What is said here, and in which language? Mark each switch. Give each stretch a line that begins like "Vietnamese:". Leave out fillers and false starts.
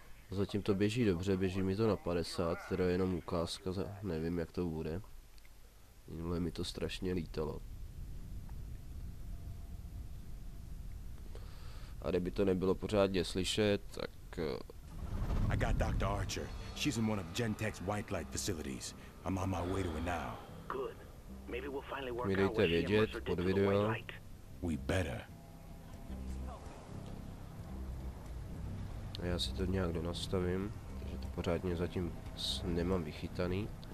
Czech: Zatím to běží dobře, běží mi to na 50, teda jenom ukázka, nevím jak to bude. Minule mi to strašně lítalo. A kdyby to nebylo pořádně slyšet, tak...
English: I got Dr. Archer. She's in one of Gentech's white light facilities. I'm on my way to her now. Good. Maybe we'll finally work out what she and Mercer did to the white light. We better.
Czech: Já si to nějak donastavím, takže to pořádně zatím nemám vychytaný.